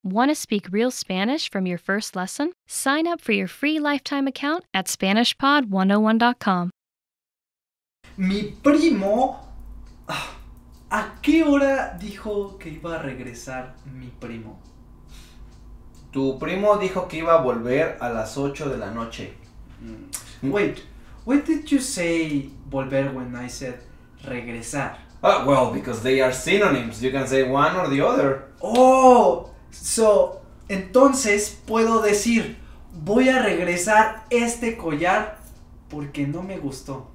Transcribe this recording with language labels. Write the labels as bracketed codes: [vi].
[en] Want to speak real Spanish from your first lesson? Sign up for your free lifetime account at SpanishPod101.com. [es] Mi primo, ¿a qué hora dijo que iba a regresar mi primo? Tu primo dijo que iba a volver a las 8 de la noche. [en] Wait, why did you say volver when I said regresar? Ah, well, because they are synonyms. You can say one or the other. [es] Oh, so, entonces puedo decir, voy a regresar este collar porque no me gustó.